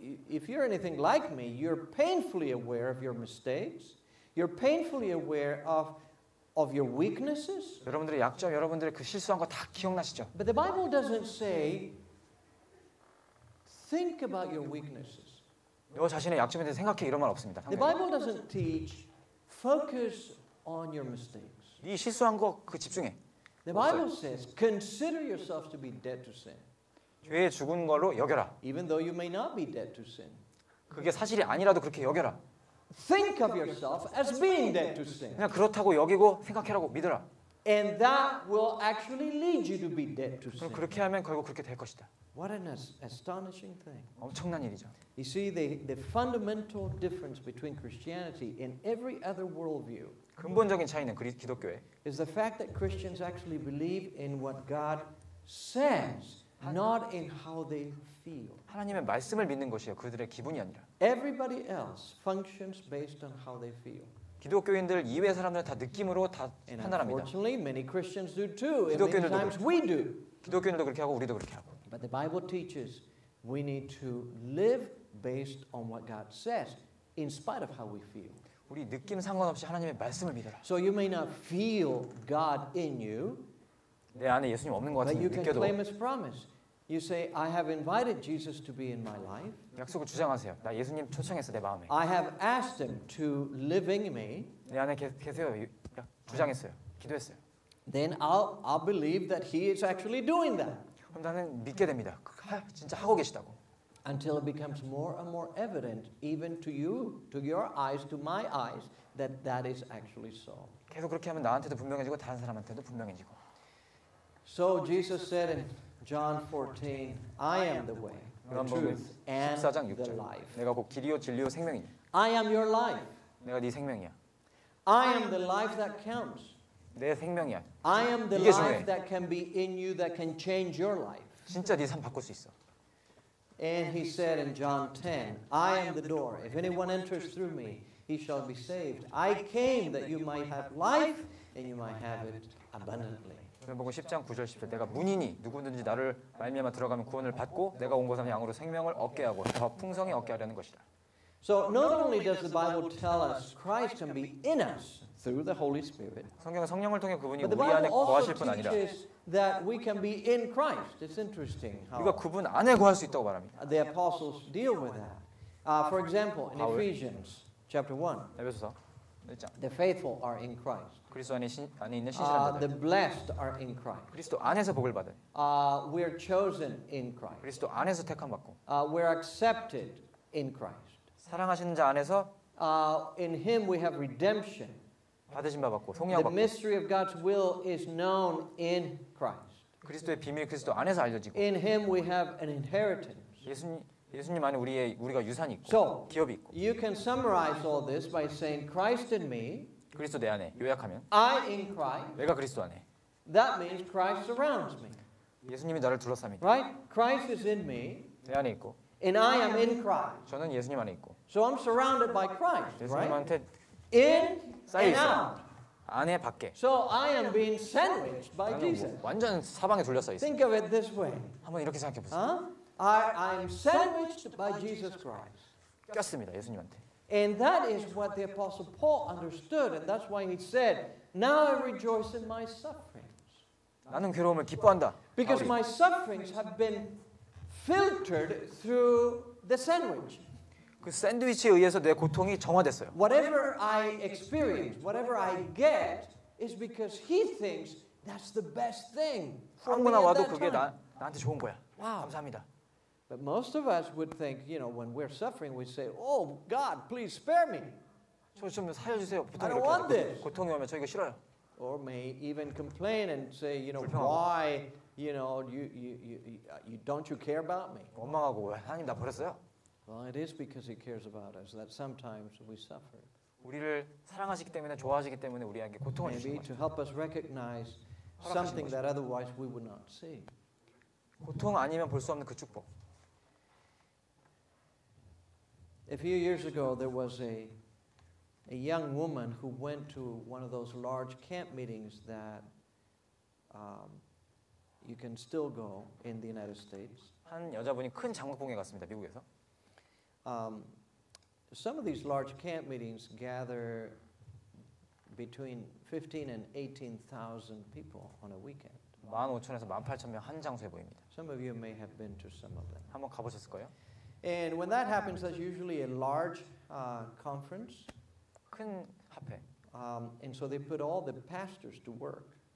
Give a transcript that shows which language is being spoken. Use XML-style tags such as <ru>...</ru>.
<en>If you're anything like me, you're painfully aware of your mistakes. You're painfully aware of your weaknesses.</en> <ko>여러분들의 약점, 여러분들의 그 실수한 거 다 기억나시죠?</ko> <en>But the Bible doesn't say think about your weaknesses.</en> <ko>너 자신의 약점에 대해 생각해 이런 말 없습니다.</ko> <en>The Bible doesn't teach focus on your mistakes.</en> <ko>네 실수한 거 그 집중해.</ko> <en>The Bible says consider yourself to be dead to sin.</en> <ko>죄에 죽은 걸로 여겨라.</ko> <en>Even though you may not be dead to sin.</en> <ko>그게 사실이 아니라도 그렇게 여겨라.</ko> <en>Think of yourself as being dead to sin.</en> <ko>그냥 그렇다고 여기고 생각해라고 믿어라.</ko> <en>And that will actually lead you to be dead to sin.</en> <ko>그럼 그렇게 하면 결국 그렇게 될 것이다.</ko> <en>What an astonishing thing.</en> <ko>엄청난 일이죠.</ko> <en>You see the fundamental difference between Christianity and every other worldview.</en> <ko>근본적인 차이는 기독교에</ko> <en>is the fact that Christians actually believe in what God says. Not in how they feel.</en> <ko>하나님의 말씀을 믿는 것이요 그들의 기분이 아니라.</ko> <en>Everybody else functions based on how they feel.</en> <ko>기독교인들 이외 사람들은 다 느낌으로 다 판단합니다.</ko> <en>Unfortunately, many Christians do too. And many times we do.</en> <ko>기독교인들도 그렇게 하고 우리도 그렇게 하고.</ko> <en>But the Bible teaches we need to live based on what God says, in spite of how we feel.</en> <ko>우리 느낌 상관없이 하나님의 말씀을 믿어라.</ko> <en>So you may not feel God in you.</en> <ko>내 안에 예수님 없는 것 같은데 느껴도.</ko> <en>But you can claim his promise. You say, I have invited Jesus to be in my life.</en> <ko>약속을 주장하세요. 나 예수님 초청했어 내 마음에.</ko> <en>I have asked him to live in me.</en> <ko>내 안에 계세요. 주장했어요. 기도했어요.</ko> <en>Then I'll believe that he is actually doing that.</en> <ko>그럼 나는 믿게 됩니다. 진짜 하고 계시다고.</ko> <en>Until it becomes more and more evident, even to you, to your eyes, to my eyes, that that is actually so.</en> <ko>계속 그렇게 하면 나한테도 분명해지고 다른 사람한테도 분명해지고.</ko> <en>So Jesus said in John 14, I am the way, the truth, and the life.</en> <ko>내가 곧 길이요 진리요 생명이니.</ko> <en>I am your life.</en> <ko>내가 네 생명이야.</ko> <en>I am the life that counts.</en> <ko>내 생명이야.</ko> <en>I am the life that can be in you that can change your life.</en> <ko>진짜 네 삶 바꿀 수 있어.</ko> <en>And he said in John 10, I am the door. If anyone enters through me, he shall be saved. I came that you might have life and you might have it abundantly.</en> <ko>요한복음 10장 9절 10절 내가 문이니 누구든지 나를 말미암아 들어가면 구원을 받고 내가 온 것은 양으로 생명을 얻게 하고 더 풍성히 얻게 하려는 것이다.</ko> <en>So not only does the Bible tell us Christ can be in us through the Holy Spirit.</en> <ko>성경은 성령을 통해 그분이 우리 안에 거하실 뿐 아니라</ko> <en>that we can be in Christ. It's interesting how</en> <ko>우리가 그분 안에 거할 수 있다고 말합니다.</ko> <en>The apostles deal with that. For example, in Ephesians chapter 1.</en> <ko>에베소서</ko> <en>The faithful are in Christ.</en> <ko>그리스도 안에 안에 있는 신실한 자들.</ko> <en>The blessed are in Christ.</en> <ko>그리스도 안에서 복을 받은.</ko> <en>We are chosen in Christ.</en> <ko>그리스도 안에서 택함 받고.</ko> <en>We are accepted in Christ.</en> <ko>사랑하시는 자 안에서.</ko> <en>In Him we have redemption.</en> <ko>받으신 바 받고 속량 받고.</ko> <en>The mystery of God's will is known in Christ.</en> <ko>그리스도의 비밀 그리스도 안에서 알려지고.</ko> <en>In Him we have an inheritance.</en> <ko>예수님 안에 우리가 유산이 있고 so, 기업이 있고.</ko> <en>You can summarize all this by saying Christ in me.</en> <ko>그리스도 내 안에 요약하면.</ko> <en>I in Christ.</en> <ko>내가 그리스도 안에.</ko> <en>That means Christ surrounds me.</en> <ko>예수님이 나를 둘러쌉니다.</ko> <en>Right? Christ is in me.</en> <ko>내 안에 있고.</ko> <en>And I am in Christ.</en> <ko>저는 예수님 안에 있고.</ko> <en>So I'm surrounded by Christ.</en> <ko>예수님한테</ko> <en>right? In</en> <ko>쌓여 있어. 안에 밖에.</ko> <en>So I am being sandwiched by Jesus.</en> <ko>완전 사방에 둘려서 있어.</ko> <en>Think of it this way.</en> <ko>한번 이렇게 생각해 보세요.</ko> <en>I am sandwiched by Jesus Christ.</en> <ko>꼈습니다, 예수님한테.</ko> <en>And that is what the apostle Paul understood, and that's why he said, "Now I rejoice in my sufferings."</en> <ko>나는 괴로움을 기뻐한다.</ko> <en>Because my sufferings have been filtered through the sandwich.</en> <ko>그 샌드위치에 의해서 내 고통이 정화됐어요.</ko> <en>Whatever I experience, whatever I get, is because he thinks that's the best thing.</en> <ko>아무나 와도 그게 나한테 좋은 거야. Wow. 감사합니다.</ko> <en>But most of us would think, you know, when we're suffering, we say, "Oh God, please spare me."</en> <ko>저 좀 살려주세요. 부탁 이렇게 고통이 오면 저 이거 싫어요.</ko> <en>Or may even complain and say, you know,</en> <ko>불평하고.</ko> <en>"Why, you know, you don't you care about me?"</en> <ko>원망하고 왜 하나님 나 버렸어요?</ko> <en>Well, it is because he cares about us that sometimes we suffer.</en> <ko>우리를 사랑하시기 때문에 좋아하시기 때문에 우리에게 고통을 주시는 거예요.</ko> <en>To help us recognize something that otherwise we would not see.</en> <ko>고통 아니면 볼 수 없는 그 축복.</ko> <en>A few years ago, there was a young woman who went to one of those large camp meetings that you can still go in the United States.</en> <ko>한 여자분이 큰 장로봉에 갔습니다, 미국에서.</ko> <en>Some of these large camp meetings gather between 15 and 18,000 people on a weekend.</en> <ko>15,000에서 18,000명 한 장소에 모입니다.</ko> <en>Some of you may have been to some of them.</en> <ko>한번 가보셨을 거예요?</ko> <en>And when that happens, that's usually a large conference.</en> <ko>큰 합회.</ko> <en>And so they put all the pastors to work.</en>